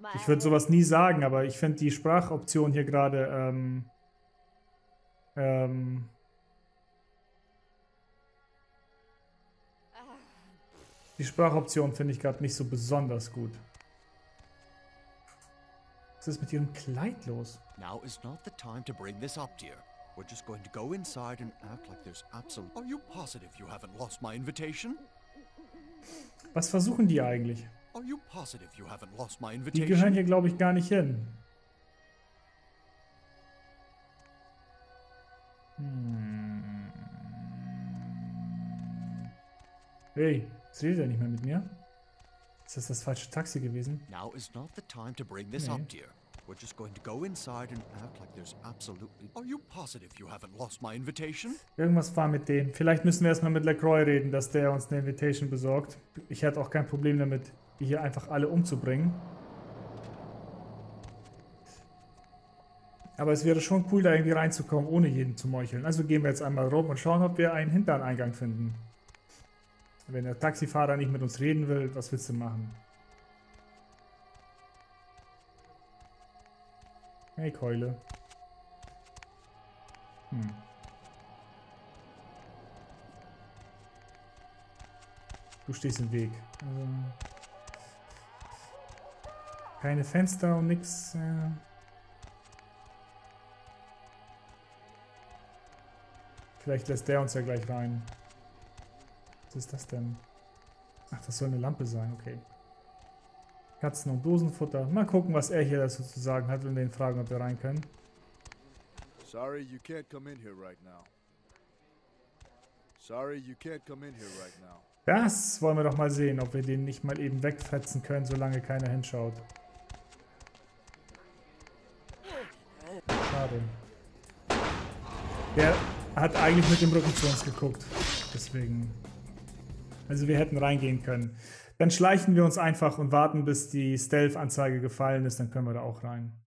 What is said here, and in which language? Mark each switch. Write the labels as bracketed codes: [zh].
[de] Ich würde sowas nie sagen, aber ich finde die Sprachoption hier gerade, die Sprachoption finde ich gerade nicht so besonders gut. Was ist mit ihrem Kleid los? [en] Now is not the time to bring this up, dear. We're just going to go inside and act like there's absolutely... Are you positive you haven't lost my invitation? [de] Was versuchen die eigentlich? [en] Are you positive you haven't lost my invitation? [de] Die gehören hier, glaube ich, gar nicht hin. Hey. Jetzt redet er nicht mehr mit mir. Ist das falsche Taxi gewesen? [en] Now is not the time to bring this up, dear. We're just going to go inside and act like there's absolutely... Are you positive you haven't lost my invitation? [de] Irgendwas war mit dem. Vielleicht müssen wir erstmal mit LaCroix reden, dass der uns eine Invitation besorgt. Ich hätte auch kein Problem damit, die hier einfach alle umzubringen. Aber es wäre schon cool, da irgendwie reinzukommen, ohne jeden zu meucheln. Also gehen wir jetzt einmal rum und schauen, ob wir einen hinteren Eingang finden. Wenn der Taxifahrer nicht mit uns reden will, was willst du machen? Hey, Keule. Du stehst im Weg. Keine Fenster und nix. Vielleicht lässt der uns ja gleich rein. Was ist das denn? Ach, das soll eine Lampe sein, okay. Katzen- und Dosenfutter. Mal gucken, was er hier dazu zu sagen hat und den fragen, ob wir rein können. [en] Sorry, you can't come in here right now. Sorry, you can't come in here right now. [de] Das wollen wir doch mal sehen, ob wir den nicht mal eben wegfetzen können, solange keiner hinschaut. Schade. Der hat eigentlich mit dem Rücken zu uns geguckt. Deswegen... Also wir hätten reingehen können. Dann schleichen wir uns einfach und warten, bis die Stealth-Anzeige gefallen ist. Dann können wir da auch rein.